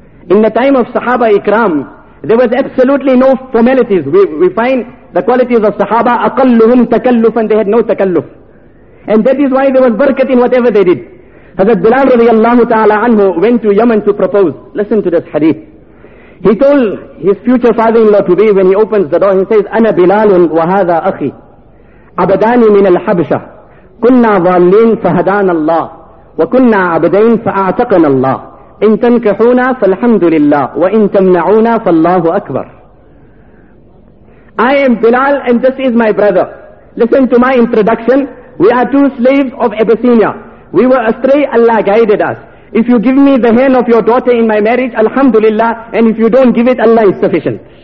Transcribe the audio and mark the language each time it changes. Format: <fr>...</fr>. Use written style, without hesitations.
<en>In the time of Sahaba Ikram, there was absolutely no formalities. We find the qualities of Sahaba,</en> <ar>أَقَلُّهُمْ تَكَلُّفًا,</ar> <en>they had no takalluf. And that is why there was barakat in whatever they did. Hazrat Bilal radiallahu ta'ala anhu went to Yemen to propose. Listen to this hadith. He told his future father-in-law to be, when he opens the door, he says,</en> <ar>أنا بلال وهذا أخي عبدان من الحبشة كنا ظالين فهدان الله وكنا عبدين فأعتقنا الله إن تنكحونا فالحمد لله وإن تمنعونا فالله أكبر.</ar> <en>I am Bilal and this is my brother. Listen to my introduction. We are two slaves of Abyssinia. We were astray, Allah guided us. if you give me the hand of your daughter in my marriage, alhamdulillah, and if you don't give it, Allah is sufficient.</en>